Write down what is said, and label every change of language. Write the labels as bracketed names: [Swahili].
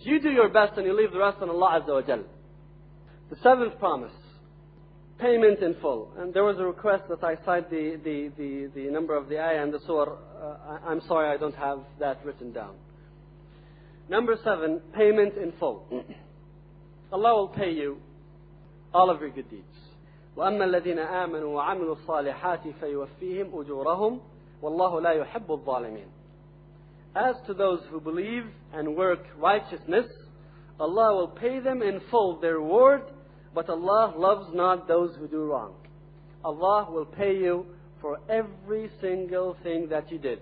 [English] You do your best and you leave the rest on Allah Azza wa Jal. The seventh promise, payment in full. And there was a request that I cite the number of the ayah and the surah. I'm sorry, I don't have that written down. Number seven, payment in full. Allah will pay you all of your good deeds. [Arabic] وأما الذين آمنوا وعملوا الصالحات فيوفيهم أجورهم والله لا يحب الظالمين. [English] As to those who believe and work righteousness, Allah will pay them in full their reward, but Allah loves not those who do wrong. Allah will pay you for every single thing that you did.